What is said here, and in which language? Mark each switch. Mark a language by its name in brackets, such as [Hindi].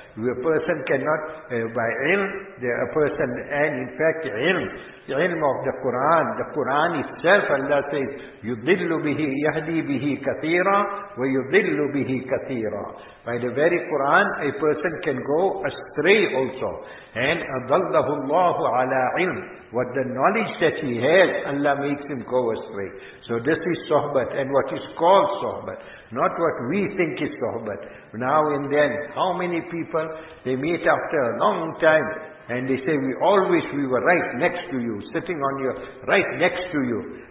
[English] A person cannot, by ilm, a person, and in fact ilm of the Quran itself, Allah says, [Arabic] يُضِلُّ بِهِ يَهْدِي بِهِ كَثِيرًا [English] وَيُضِلُّ بِهِ كَثِيرًا. By the very Quran, a person can go astray also. [Arabic] And أَضَلَّهُ اللَّهُ عَلَىٰ عِلْمٍ. [English] What the knowledge that he has, Allah makes him go astray. So this is sohbat, and what is called sohbat. Not what we think is sohbat. Now and then, how many people, they meet after a long time, and they say, we were right next to you, sitting on your, right next to you.